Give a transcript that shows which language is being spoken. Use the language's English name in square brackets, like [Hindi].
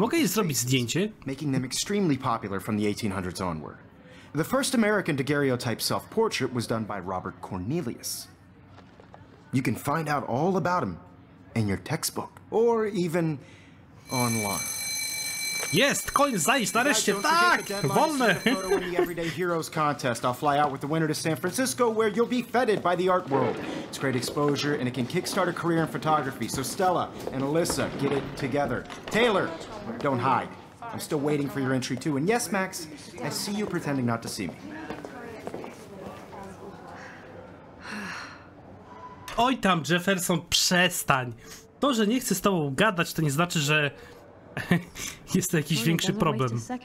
[Polish] mogę zrobić zdjęcie? [English] Making them extremely popular from the 1800s onward. The first American daguerreotype self-portrait was done by Robert Cornelius. You can find out all about him in your textbook or even online. [Polish] Yes, koń zajść, nareszcie, tak, wolne. [English] The Everyday Heroes contest. I'll fly out with the winner to San Francisco where you'll be feted by the art world. It's great exposure and it can kickstart a career in photography. So Stella and Alyssa, get it together. Taylor, don't hide. I'm still waiting for your entry too. And yes, Max, I see you pretending not to see me. [Polish] Oj tam, Jefferson, przestań. To, że nie chcę z tobą gadać, to nie znaczy, że jest to jakiś większy problem.